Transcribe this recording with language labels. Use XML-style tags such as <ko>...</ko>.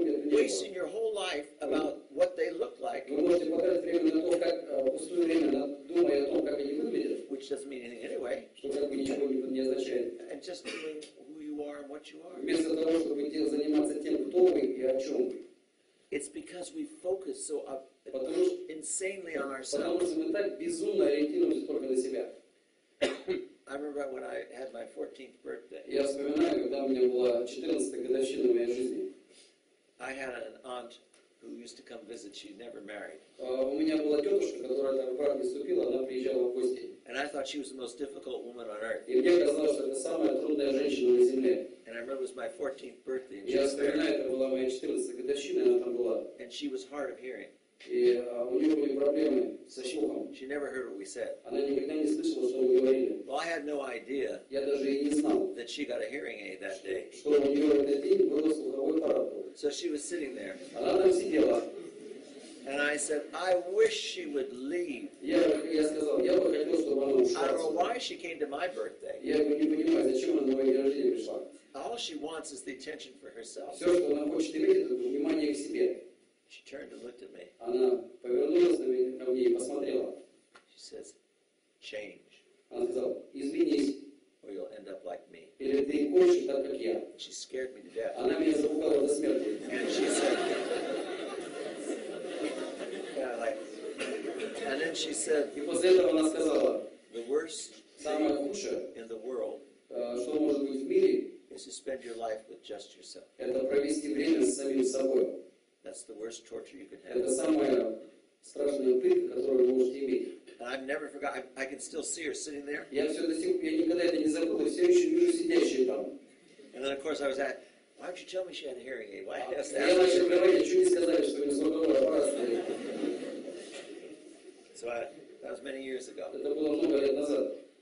<en>Wasting your whole life about what they look like, which doesn't mean anything anyway, and just doing who you are and what you are. It's because we focus so insanely on ourselves.</en> <ru>Потому что мы так безумно ориентируемся только на себя.</ru> <en>I remember when I had my 14th birthday.</en> <ru>Я вспоминаю, когда у меня была 14-я годовщина моей жизни.</ru> <en>I had an aunt who used to come visit. She never married.</en> <ru>У меня была тетушка, которая там в брак не вступила, она приезжала в гости.</ru> <en>And I thought she was the most difficult woman on earth.</en> <ru>И мне казалось, что это самая трудная женщина на земле.</ru> <en>And I remember it was my 14th birthday.</en> <ru>Я вспоминаю, это была моя 14-я годовщина, она там была.</ru> <en>And she was hard of hearing.</en> <ru>И у нее были проблемы со слухом.</ru> <en>She never heard what we said.</en> <ru>Она никогда не слышала, что мы говорили.</ru> <en>Well, I had no idea.</en> <ru>Я даже и не знал.</ru> <en>That she got a hearing aid that day.</en> <ru>Что у нее в этот день был слуховой аппарат.</ru> <en>So she was sitting there.</en> <ru>Она там сидела.</ru> <en>And I said, I wish she would leave.</en> <ru>Я сказал, я бы хотел, чтобы она ушла.</ru> <en>I don't know why she came to my birthday.</en> <ru>Я не понимаю, зачем она на мой день рождения пришла.</ru> <en>All she wants is the attention for herself.</en> <ru>Все, что она хочет иметь, это внимание к себе.</ru> <en>She turned and looked at me.</en> <ru>Она повернулась на меня, ко мне и посмотрела.</ru> <en>She says, change.</en> <ru>Она сказала, изменись.</ru> <en>Or you'll end up like me.</en> <ru>Или ты кончишь так, как я.</ru> <en>She scared me to death.</en> <ru>Она меня запугала до смерти.</ru> <en>And she said, and then she said,</en> <ru>и после этого она сказала,</ru> <en>the worst</en> <ru>самое худшее</ru> <en>in the world,</en> <ru>что может быть в мире,</ru> <en>is to spend your life with just yourself.</en> <ru>Это провести время с самим собой.</ru> <en>That's the worst torture you could have.</en> <ru>Это самая страшная пытка, которую вы можете иметь.</ru> <en>And I've never forgot. I can still see her sitting there.</en> <ru>Я никогда это не забыл. Все еще вижу сидящую там.</ru> <en>And then of course I was at, why don't you tell me she had a hearing aid? Why? Yes, that.</en> <ru>Я начал говорить, что не сказали, что у нее слуховой аппарат стоит.</ru> <en>So that was many years ago.</en> <ru>Это было много лет назад.</ru>